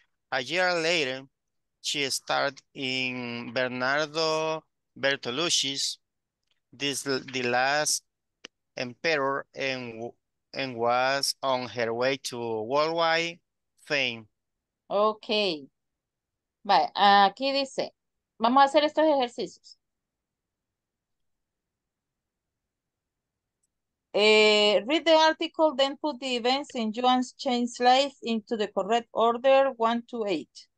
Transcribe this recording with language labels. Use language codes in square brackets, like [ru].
[en] A year later, she starred in Bernardo Bertolucci's The Last Emperor and was on her way to worldwide fame. Okay. [es] Vale, aquí dice, vamos a hacer estos ejercicios. [en] Read the article, then put the events in Joan's changed life into the correct order, 1 to 8.